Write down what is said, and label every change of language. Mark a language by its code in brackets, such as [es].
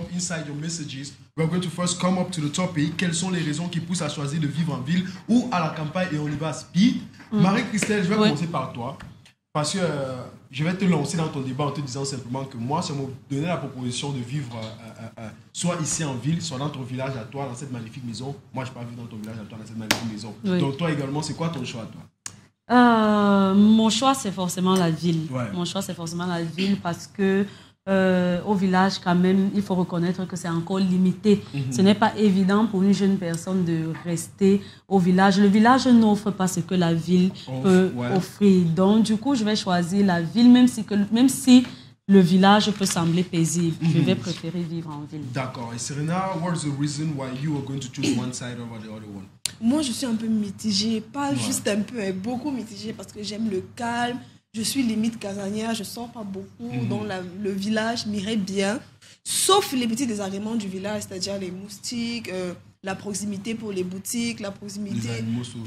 [en] inside your messages, we're going to first come up to the topic. [fr] Quelles sont les raisons qui poussent à choisir de vivre en ville ou à la campagne? Et on y va speed. Mm. Marie-Christelle, je vais commencer par toi. Parce que je vais te lancer dans ton débat en te disant simplement que moi, si on me donnait la proposition de vivre soit ici en ville, soit dans ton village à toi, dans cette magnifique maison, moi, je ne peux pas vivre dans ton village à toi, dans cette magnifique maison. Oui. Donc, toi également, c'est quoi ton choix à toi? Mon choix, c'est forcément la ville. Ouais. Mon choix, c'est forcément la ville parce que au village, quand même, il faut reconnaître que c'est encore limité. Mmh. Ce n'est pas évident pour une jeune personne de rester au village. Le village n'offre pas ce que la ville peut offrir. Donc, du coup, je vais choisir la ville, même si le village peut sembler paisible. Mmh. Je vais préférer vivre en ville. D'accord. [en] Et Serena, what's the reason why you are going to choose one side over the other one? [fr] Moi, je suis un peu mitigée. Pas juste un peu, mais beaucoup mitigée parce que j'aime le calme. Je suis limite casanière, je ne sors pas beaucoup dans le village, m'irai bien. Sauf les petits désagréments du village, c'est-à-dire les moustiques, la proximité pour les boutiques, la proximité. Les animaux sauvages.